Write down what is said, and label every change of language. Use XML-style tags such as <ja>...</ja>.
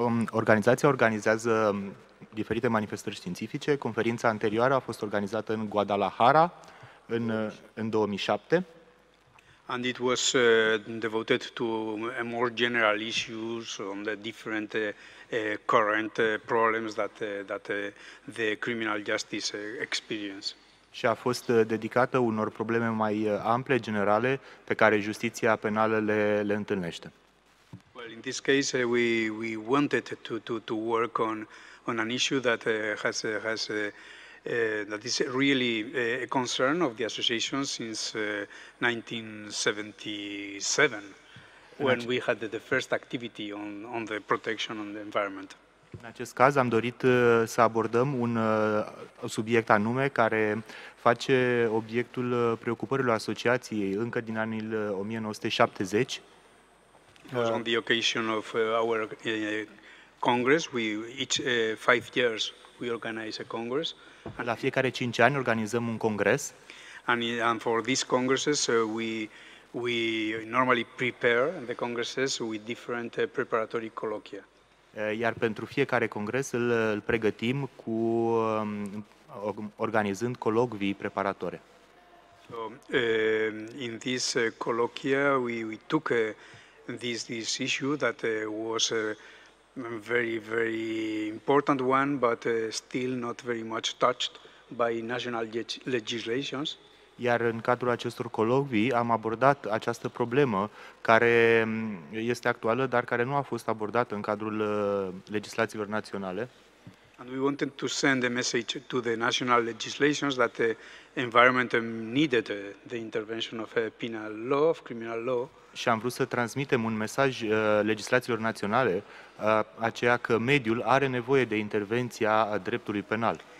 <ro>Organizația organizează diferite manifestări științifice. Conferința anterioară a fost organizată în Guadalajara în 2007.</ro> <en>And it was devoted to a more general issues on the different current problems that the criminal justice experience.</en> <ro>Și a fost dedicată unor probleme mai ample, generale, pe care justiția penală le întâlnește.</ro> <en>Well, in this case, we wanted to work on an issue that has that is really a concern of the association since 1977, when we had the first activity on the protection on the environment.</en> <ro>În acest caz am dorit să abordăm un subiect anume care face obiectul preocupărilor asociației încă din anii 1970.</ro> <en>On the occasion of our congress, we each 5 years we organize a congress.</en> <ro>La fiecare 5 ani organizăm un congres.</ro> <en>And for these congresses we normally prepare the congresses with different preparatory colloquia.</en> <ro>Iar pentru fiecare congres îl pregătim cu organizând colocvii preparatorii.</ro> <en>So in this colloquia we took this issue that was a very, very important one, but still not very much touched by national legislations.</en> <ro>Iar în cadrul acestor colocvii am abordat această problemă care este actuală, dar care nu a fost abordată în cadrul legislațiilor naționale.</ro> <en>And we wanted to send a message to the national legislations that the environment needed the intervention of penal law, of criminal law.</en> <ro>Și am vrut să transmitem un mesaj legislațiilor naționale, aceea că mediul are nevoie de intervenția dreptului penal.</ro>